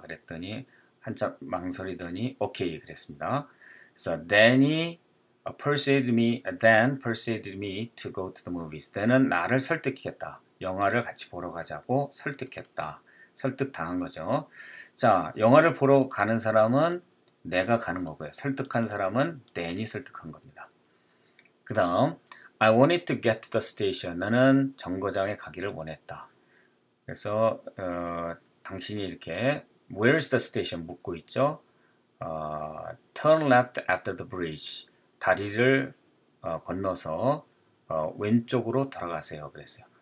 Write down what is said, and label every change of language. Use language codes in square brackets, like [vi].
[ko] 그랬더니 한참 망설이더니 오케이 그랬습니다. [en] So then persuaded me to go to the movies. [ko] Then은 나를 설득했다. 영화를 같이 보러 가자고 설득했다. 설득당한 거죠. 자, 영화를 보러 가는 사람은 내가 가는 거고요. 설득한 사람은 then이 설득한 겁니다. 그 다음, [en] I wanted to get to the station. [ko] 나는 정거장에 가기를 원했다. 그래서 당신이 이렇게 [en] Where's the station? [ko] 묻고 있죠. [en] Turn left after the bridge. [ko] 다리를 건너서 왼쪽으로 돌아가세요. 그랬어요.